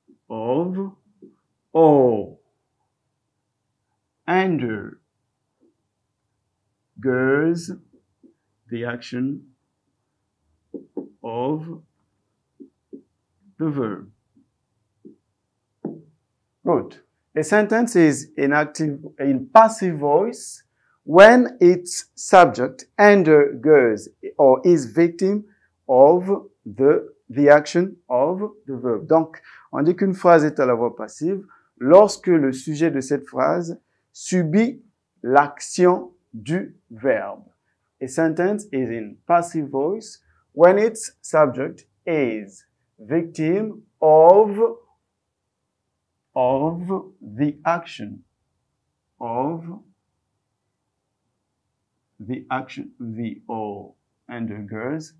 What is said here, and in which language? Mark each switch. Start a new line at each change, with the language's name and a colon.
English: of or undergoes the action of the verb. Good. A sentence is in active, in passive voice when its subject undergoes or is victim of the action of the verb.
French: Donc, on dit qu'une phrase est à la voix passive lorsque le sujet de cette phrase subit l'action du verbe.
English: A sentence is in passive voice when its subject is victim of the action of the action the o and the girls.